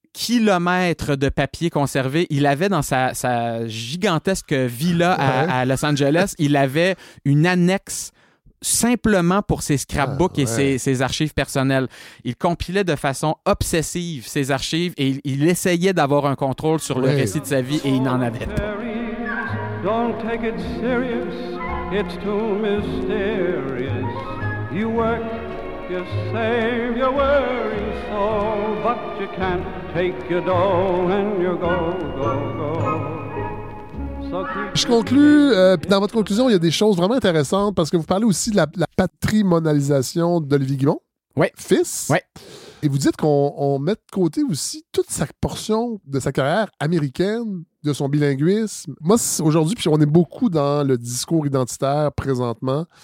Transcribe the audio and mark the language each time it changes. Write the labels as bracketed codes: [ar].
[fr] kilomètres de papier conservé. Il avait dans sa gigantesque villa à Los Angeles, il avait une annexe simplement pour ses scrapbooks et ses archives personnelles. Il compilait de façon obsessive ses archives et il essayait d'avoir un contrôle sur le récit de sa vie et il n'en avait pas. [en] Don't take it serious, it's too mysterious. You work, you save, you worry so, but you can't take your dough and you go, go, go. [fr] Je conclue, dans votre conclusion, il y a des choses vraiment intéressantes parce que vous parlez aussi de la patrimonialisation d'Olivier Guimond, fils. Ouais. Et vous dites qu'on met de côté aussi toute sa portion de sa carrière américaine, de son bilinguisme. Moi, aujourd'hui, puis on est beaucoup dans le discours identitaire présentement.